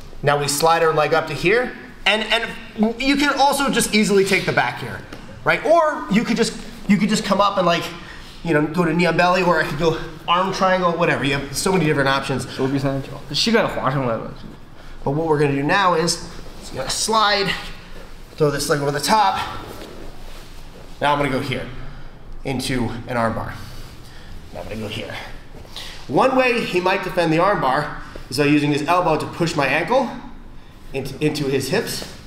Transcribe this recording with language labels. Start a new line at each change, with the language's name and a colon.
English: Now we slide our leg up to here, and you can also just easily take the back here, right? Or you could just come up and like, you know, go to knee on belly, or I could go arm triangle, whatever. You have so many different options.
Chinese: 手臂三角，膝盖滑上来了。
English: But what we're gonna do now is, it's gonna slide, throw this leg over the top. Now I'm gonna go here, into an arm bar. Now I'm gonna go here. One way he might defend the arm bar is by using his elbow to push my ankle into his hips.